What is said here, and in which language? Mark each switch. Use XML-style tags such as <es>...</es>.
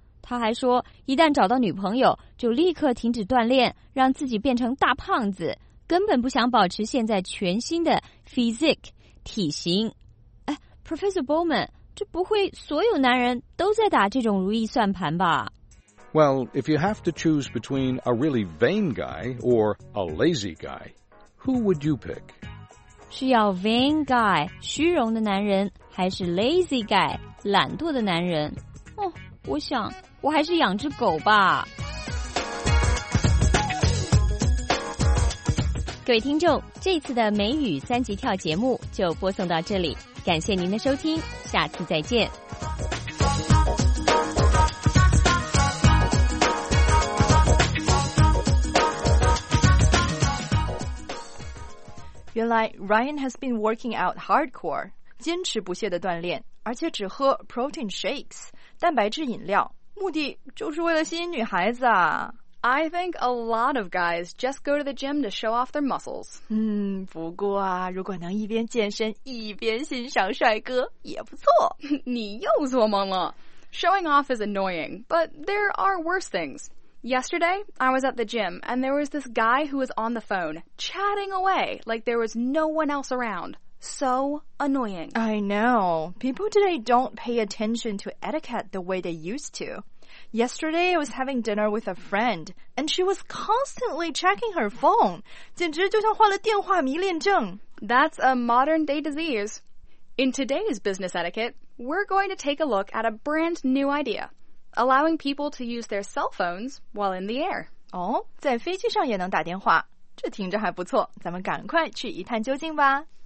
<zh>他还说，一旦找到女朋友，就立刻停止锻炼，让自己变成大胖子，根本不想保持现在全新的 physique 体型。哎 ，Professor Bowman，这不会所有男人都在打这种如意算盘吧？</zh> <en>Well, if you have to choose between a really vain guy or a lazy guy, who would you pick?</en> <zh>是要 vain guy, 虚荣的男人，还是 lazy guy, 懒惰的男人？哦，我想，我还是养只狗吧。各位听众，这次的美语三级跳节目就播送到这里，感谢您的收听，下次再见。原来 Ryan</zh> <en>has been working out hardcore,</en> <zh>坚持不懈的锻炼，而且只喝 protein shakes, 蛋白质饮料，目的就是为了吸引女孩子啊。</zh> <en>I think a lot of guys just go to the gym to show off their muscles.</en> <zh>不过啊，如果能一边健身一边欣赏帅哥也不错。你又做梦了。</zh> <en>Showing off is annoying, but there are worse things. Yesterday, I was at the gym and there was this guy who was on the phone, chatting away like there was no one else around. So annoying. I know. People today don't pay attention to etiquette the way they used to. Yesterday, I was having dinner with a friend, and she was constantly checking her phone.</en> <zh>简直就像患了电话迷恋症。</zh> <en>That's a modern-day disease. In today's business etiquette, we're going to take a look at a brand new idea, allowing people to use their cell phones while in the air.</en> <zh>哦，在飞机上也能打电话，这听着还不错，咱们赶快去一探究竟吧。</zh>